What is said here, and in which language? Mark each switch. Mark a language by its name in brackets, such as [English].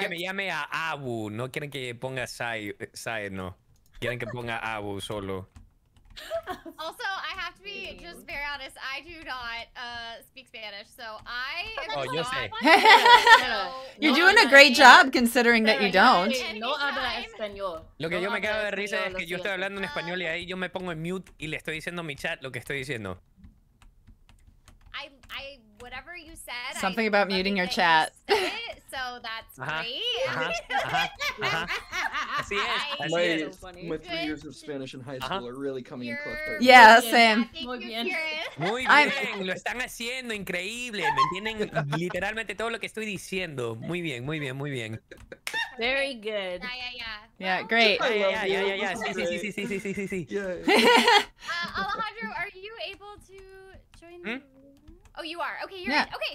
[Spanish] Que me llame a Abu. No quieren que ponga Sai, no. Quieren que ponga Abu solo. [English] Also, I have to be just very honest. I do not speak Spanish, so I am oh, not. [Spanish] Yo sé. [English] No, you're doing a great job considering that you don't. [Spanish] No habla español. Lo que yo me quedo de risa es que yo estoy hablando en español y ahí yo me pongo en mute y le estoy diciendo a mi chat lo que estoy diciendo. [English] Whatever you said, something about muting your chat. You said it, so that's uh-huh. great. Uh-huh. Uh-huh. Uh-huh. My 3 years of Spanish in high school are really coming you're in close. Yeah, same. [Spanish] Muy bien. Muy bien. Lo están haciendo increíble. Me entienden literalmente todo lo que estoy diciendo. Muy bien. [English] Very good. Yeah. Well, great. Yeah. Alejandro, are you able to join the? Oh, you are. Okay, you're right. Okay,